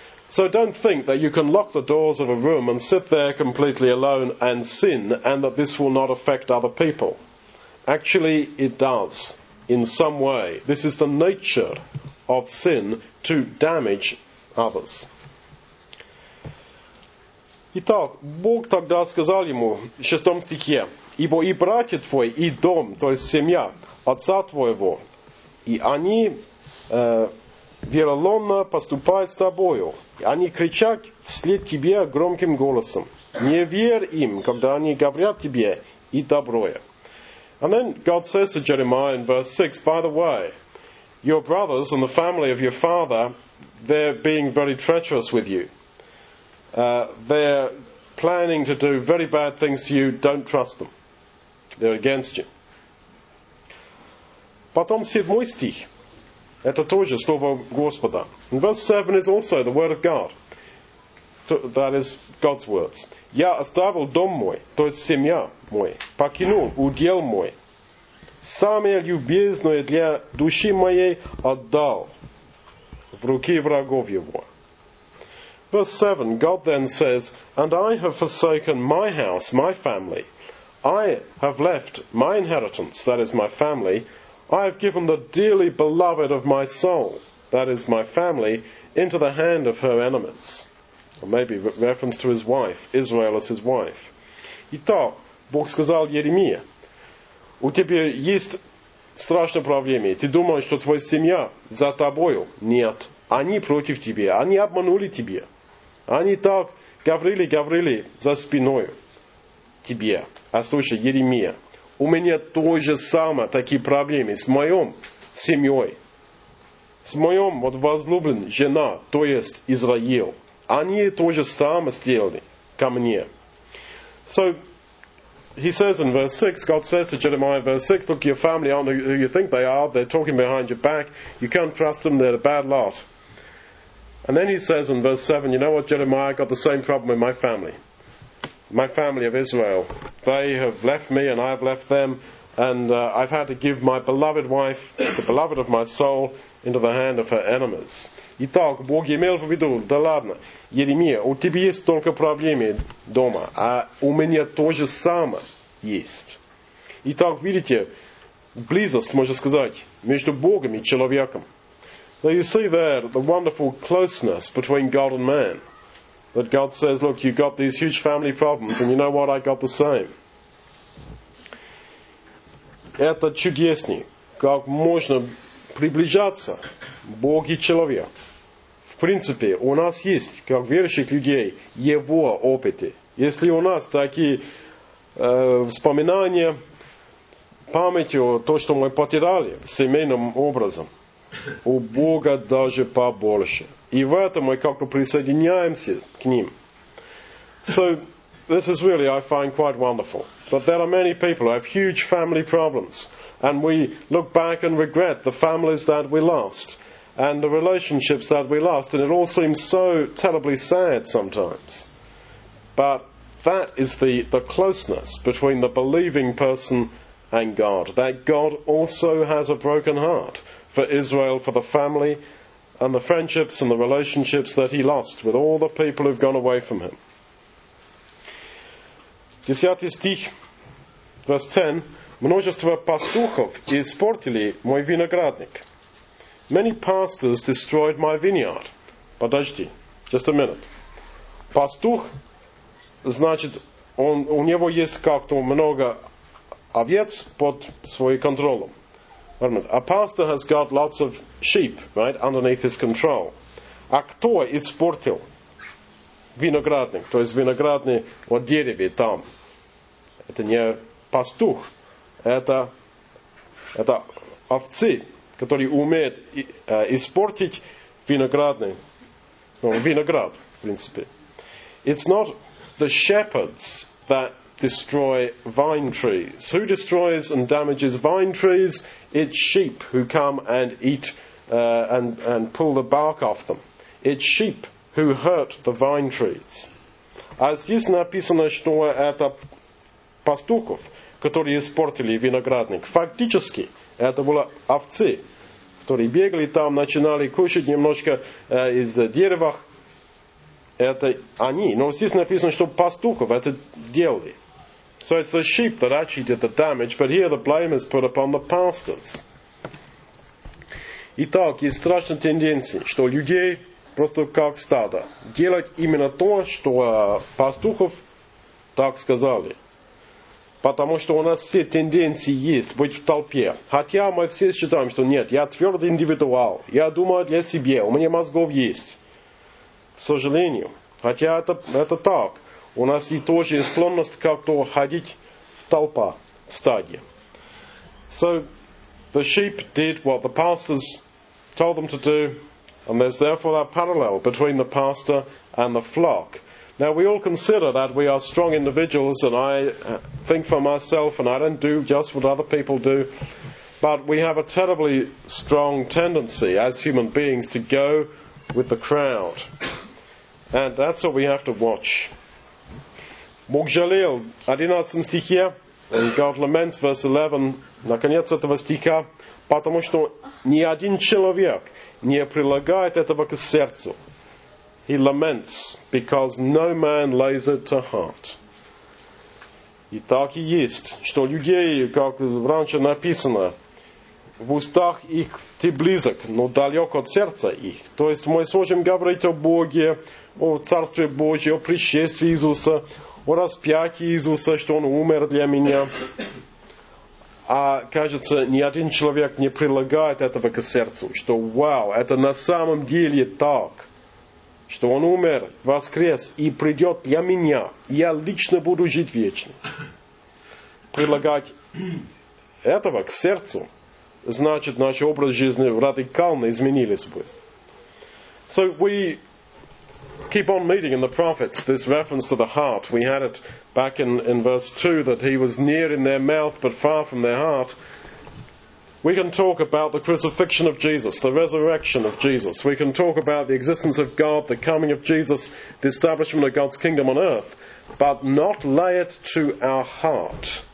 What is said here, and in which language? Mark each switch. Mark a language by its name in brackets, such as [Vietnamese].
[English] So don't think that you can lock the doors of a room and sit there completely alone and sin, and that this will not affect other people. Actually, it does, in some way. This is the nature of sin, to damage others. [Russian] Итак, Бог тогда сказал ему, в шестом стихе, «Ибо и братья твои, и дом, то есть семья, отца твоего, и они вероломно поступают с тобою, и они кричат вслед тебе громким голосом. Не верь им, когда они говорят тебе, и доброе». [English] And then God says to Jeremiah in verse 6, «By the way, your brothers and the family of your father, they're being very treacherous with you. They're planning to do very bad things to you. Don't trust them. They're against you». [Russian] Потом седьмой стих. Это тоже слово Господа. [English] And verse 7 is also the word of God. That is God's words. [Russian] Я оставил дом мой, то есть семья мой, покинул удел мой, самое любезное для души моей отдал в руки врагов его. [English] Verse 7, God then says, And I have forsaken my house, my family. I have left my inheritance, that is my family. I have given the dearly beloved of my soul, that is my family, into the hand of her enemies. Or maybe reference to his wife, Israel as his wife. [Russian] Итак, Бог сказал Еремии, у тебя есть страшное проблемы. Ты думаешь, что твоя семья за тобою? Нет, они против тебя, они обманули тебя. Они так говорили за спиной тебе. А слушай, Еремия, у меня тоже самое такие проблемы с моим семьей. С моим вот возлюбленным жена, то есть Израил. Они тоже самое сделали ко мне. [English] So, he says in verse 6, God says to Jeremiah in verse 6, look, your family aren't who you think they are. They're talking behind your back. You can't trust them. They're a bad lot. And then he says in verse 7, you know what, Jeremiah, I got the same problem with my family. My family of Israel. They have left me and I have left them. And I've had to give my beloved wife, the beloved of my soul, into the hand of her enemies. [Russian] Итак, Бог имел в виду, да ладно, Еремия, у тебя есть только проблемы дома, а у меня тоже самое есть. Итак, видите, близость, можно сказать, между Богом и человеком. [English] So you see there the wonderful closeness between God and man. That God says, look, you've got these huge family problems, and you know what, I got the same. [Russian] Это чудесней, как можно приближаться Бог и человек. В принципе, у нас есть, как верующих людей, его опыты. Если у нас такие вспоминания, памятью то, что мы потеряли семейным образом. У Бога даже побольше. И в этом мы как-то присоединяемся к ним. [English] So, this is really, I find, quite wonderful. But there are many people who have huge family problems. And we look back and regret the families that we lost. And the relationships that we lost. And it all seems so terribly sad sometimes. But that is the closeness between the believing person and God. That God also has a broken heart for Israel, for the family, and the friendships and the relationships that he lost with all the people who've gone away from him. [Russian] 10 стих, [English] verse 10. [Russian] Множество пастухов испортили мой виноградник. [English] Many pastors destroyed my vineyard. [Russian] Подожди, [English] just a minute. [Russian] Пастух, значит, он, у него есть как-то много овец под своим контролем. [English] Wait a minute. A pastor has got lots of sheep, right, underneath his control. [Russian] А кто испортил виноградник, то есть виноградный вот дерево там? Это не пастух. Это овцы, которые умеют испортить виноградный, ну, виноград, в принципе. [English] It's not the shepherds that destroy vine trees. Who destroys and damages vine trees? It's sheep who come and eat and pull the bark off them. It's sheep who hurt the vine trees. [Russian] А здесь написано, что это пастухов, которые испортили виноградник. Фактически, это были овцы, которые бегали там, начинали кушать немножко из дерева. Это они. Но здесь написано, что пастухов это делали. [English] So it's the sheep that actually did the damage, but here the blame is put upon the pastors. [Russian] Итак, есть страшная тенденция, что людей просто как стадо делать именно то, что пастухов так сказали. Потому что у нас все тенденции есть быть в толпе. Хотя мы все считаем, что нет, я твердый индивидуал. Я думаю для себя, у меня мозгов есть. К сожалению. Хотя это так. У нас и тоже есть склонность как-то ходить в толпа, в стадии. [English] So, the sheep did what the pastors told them to do. And there's therefore that parallel between the pastor and the flock. Now we all consider that we are strong individuals and I think for myself and I don't do just what other people do. But we have a terribly strong tendency as human beings to go with the crowd. And that's what we have to watch. [Russian] Бог жалел, 11 стихе, [English] and God laments, verse 11, [Russian] на конец этого стиха, потому что ни один человек не прилагает этого к сердцу. [English] He laments because no man lays it to heart. [Russian] И так и есть, что людей, как раньше написано, в устах их ты близок, но далек от сердца их. То есть мы сможем говорить о Боге, о Царстве Божьем, о пришествии Иисуса, о распятии Иисуса, что Он умер для меня. А кажется, ни один человек не прилагает этого к сердцу, что вау, это на самом деле так. Что он умер, воскрес и придет для меня. Я лично буду жить вечно. Прилагать этого к сердцу, значит, наш образ жизни радикально изменились бы. [English] So we keep on meeting in the prophets this reference to the heart. We had it back in verse 2 that he was near in their mouth but far from their heart. We can talk about the crucifixion of Jesus, the resurrection of Jesus. We can talk about the existence of God, the coming of Jesus, the establishment of God's kingdom on earth, but not lay it to our heart.